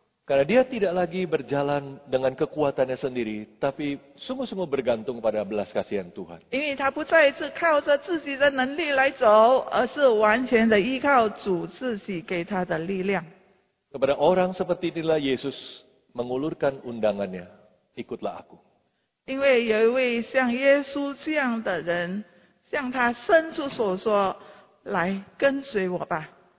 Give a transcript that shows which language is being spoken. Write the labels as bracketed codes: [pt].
[id] Karena dia tidak lagi berjalan dengan kekuatannya sendiri, tapi sungguh-sungguh bergantung pada belas kasihan Tuhan. [zh] 因为他不再是靠着自己的能力来走，而是完全的依靠主自己给他的力量。 [id] Kepada orang seperti inilah Yesus mengulurkan undangannya, ikutlah aku. [zh] 因为有一位像耶稣这样的人，向他伸出手说，来跟随我吧。